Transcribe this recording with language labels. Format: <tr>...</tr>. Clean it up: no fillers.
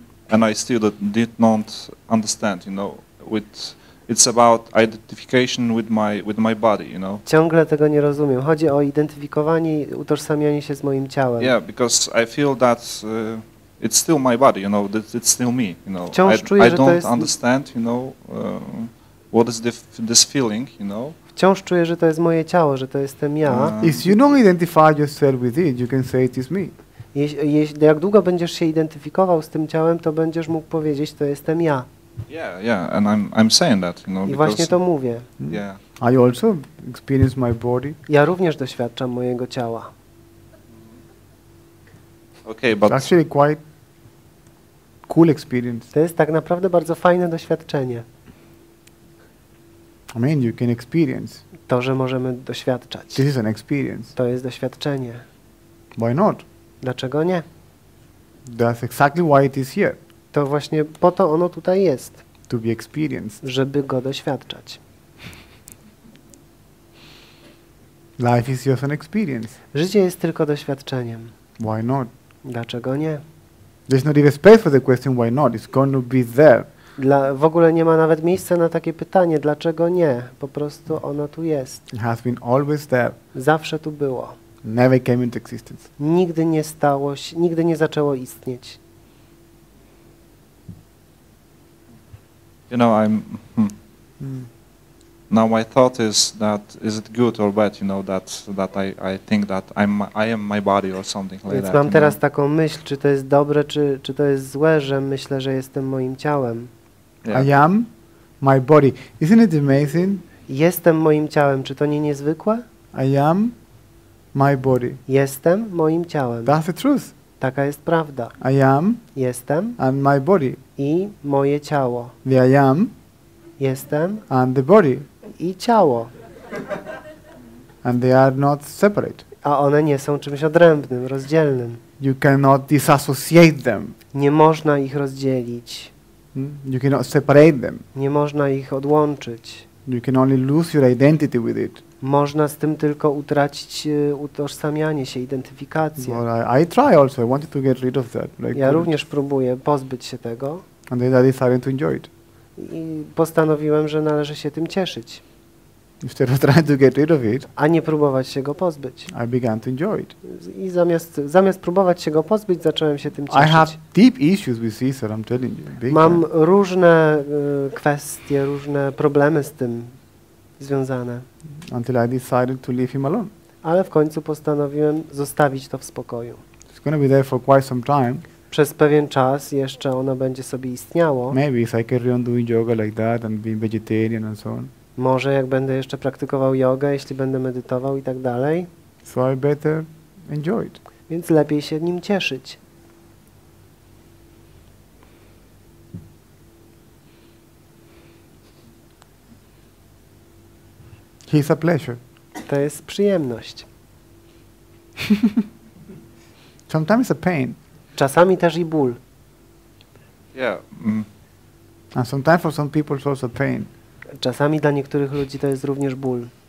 <en>And I still did not understand, you know, with. It's about identification with my body, you know.</en> <pl>Ciągle tego nie rozumiem. Chodzi o identyfikowanie, utożsamianie się z moim ciałem.</pl> <en>Yeah, because I feel that it's still my body, you know. That it's still me, you know.</en> <pl>Wciąż czuję,</pl> <en>I don't understand, you know, what is this feeling, you know.</en> <pl>Wciąż czuję, że to jest moje ciało, że to jestem ja.</pl> <en>If you don't identify yourself with it, you can say it is me.</en> <pl>Jak długo będziesz się identyfikował z tym ciałem, to będziesz mógł powiedzieć, to jestem ja.</pl> <en>Yeah, and I'm saying that, you know.</en> <pl>I właśnie to mówię.</pl> <en>Yeah. I also experience my body.</en> <pl>Ja również doświadczam mojego ciała.</pl> <en>Okay, but it's actually quite cool experience.</en> <pl>To jest tak naprawdę bardzo fajne doświadczenie.</pl> <en>I mean, you can experience.</en> <pl>To, że możemy doświadczać.</pl> <en>This is an experience.</en> <pl>To jest doświadczenie.</pl> <en>Why not?</en> <pl>Dlaczego nie?</pl> <en>That's exactly why it is here.</en> <pl>To właśnie po to ono tutaj jest.</pl> <en>To be experienced.</en> <pl>Żeby go doświadczać.</pl> <en>Life is just an experience.</en> <pl>Życie jest tylko doświadczeniem.</pl> <en>Why not?</en> <pl>Dlaczego nie?</pl> <en>There's not even space for the question why not. It's going to be there.</en> <pl>W ogóle nie ma nawet miejsca na takie pytanie, dlaczego nie? Po prostu ono tu jest.</pl> <en>It has been always there.</en> <pl>Zawsze tu było.</pl> <en>Never came into existence.</en> <pl>Nigdy nie stało się, nigdy nie zaczęło istnieć.</pl> <en>You know, I'm. Now my thought is that is it good or bad? You know that I think that I am my body or something like</en> <pl>Więc</pl> <en>that.</en> <pl>Więc mam teraz</pl> <en>know?</en> <pl>Taką myśl, czy to jest dobre, czy to jest złe, że myślę, że jestem moim ciałem.</pl> <en>Yeah. I am my body. Isn't it amazing?</en> <pl>Jestem moim ciałem. Czy to nie niezwykłe?</pl> <en>I am my body.</en> <pl>Jestem moim ciałem.</pl> <en>That's the truth.</en> <pl>Taka jest prawda.</pl> <en>I am.</en> <pl>Jestem.</pl> <en>And my body.</en> <pl>I moje ciało.</pl> <en>The I am.</en> <pl>Jestem.</pl> <en>And the body.</en> <pl>I ciało.</pl> <en>And they are not separate.</en> <pl>A one nie są czymś odrębnym, rozdzielnym.</pl> <en>You cannot disassociate them.</en> <pl>Nie można ich rozdzielić.</pl> <en>You cannot separate them.</en> <pl>Nie można ich odłączyć.</pl> <en>You can only lose your identity with it.</en> <pl>Można z tym tylko utracić utożsamianie się, identyfikację.</pl> <en>Well, I try also. I wanted to get rid of that. Like,</en> <pl>ja również próbuję pozbyć się tego.</pl> <en>And then I decided to enjoy it.</en> <pl>I postanowiłem, że należy się tym cieszyć.</pl> <en>Instead of trying to get rid of it,</en> <pl>a nie próbować się go pozbyć.</pl> <en>I began to enjoy it.</en> <pl>I zamiast próbować się go pozbyć, zacząłem się tym cieszyć.</pl> <en>I have deep issues with this, I'm telling you.</en> <pl>Big Mam różne kwestie, różne problemy z tym związane.</pl> <en>Until I decided to leave him alone.</en> <pl>Ale w końcu postanowiłem zostawić to w spokoju.</pl> <en>It's gonna be there for quite some time.</en> <pl>Przez pewien czas jeszcze ono będzie sobie istniało.</pl> <en>Maybe if I carry on doing yoga like that and being vegetarian and so on.</en> <pl>Może jak będę jeszcze praktykował jogę, jeśli będę medytował i tak dalej.</pl> <en>So I better enjoy it.</en> <pl>Więc lepiej się nim cieszyć.</pl> <en>It's a pleasure.</en> <pl>To jest przyjemność.</pl> <en>Sometimes a pain.</en> <pl>Czasami też i ból.</pl> <en>Yeah. And sometimes for some people it's also pain.</en> <pl>Czasami dla niektórych ludzi to jest również ból.</pl>